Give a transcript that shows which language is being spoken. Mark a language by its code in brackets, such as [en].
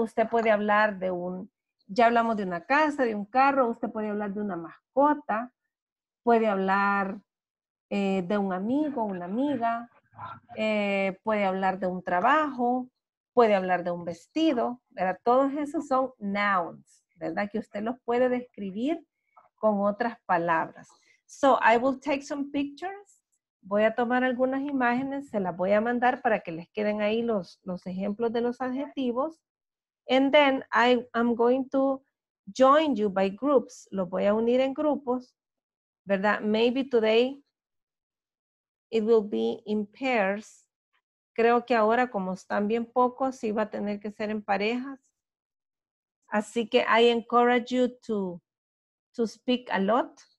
[es] Usted puede hablar de un, ya hablamos de una casa, de un carro, usted puede hablar de una mascota, puede hablar de un amigo, una amiga, puede hablar de un trabajo, puede hablar de un vestido, ¿verdad? Todos esos son nouns, ¿verdad? Que usted los puede describir con otras palabras. [en] So, I will take some pictures. [es] Voy a tomar algunas imágenes, se las voy a mandar para que les queden ahí los ejemplos de los adjetivos. [en] And then, I'm going to join you by groups. [es] Los voy a unir en grupos, ¿verdad? [en] Maybe today it will be in pairs. [es] Creo que ahora, como están bien pocos, sí va a tener que ser en parejas. Así que [en] I encourage you to speak a lot.